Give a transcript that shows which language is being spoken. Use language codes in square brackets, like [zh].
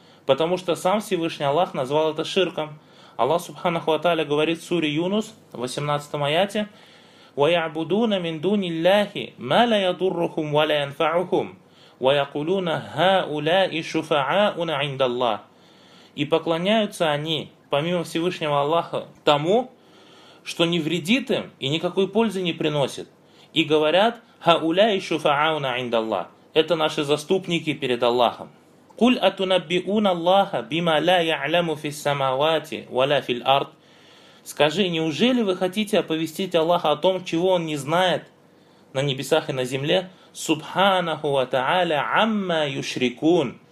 [ru] Потому что сам Всевышний Аллах назвал это ширком. Аллах, субханаху ва тааля, говорит в суре Юнус, в 18 аяте, [ar] وَيَعْبُدُونَ مِنْ دُونِ اللَّهِ مَا لَا يَضُرُّهُمْ وَلَا يَنْفَعُهُمْ وَيَقُلُونَ هَا أُولَاءِ شُفَعَاءُنَ عِنْدَ اللَّهِ. [ru] И поклоняются они, помимо Всевышнего Аллаха, тому, что не вредит им и никакой пользы не приносит. И говорят [ar] هَا أُولَاءِ شُفَعَاءُنَ عِنْدَ اللَّهِ. [ru] Это наши заступники перед Аллахом. [ar] قُلْ أَتُنَبِّئُونَ اللَّهَ بِمَا لَا يَعْلَمُ فِي السَّمَوَاتِ وَلَا فِي الْأَرْضِ. [ru] Скажи, неужели вы хотите оповестить Аллаха о том, чего Он не знает на небесах и на земле? [ar] Субханаху ва тааля амма юшрикун.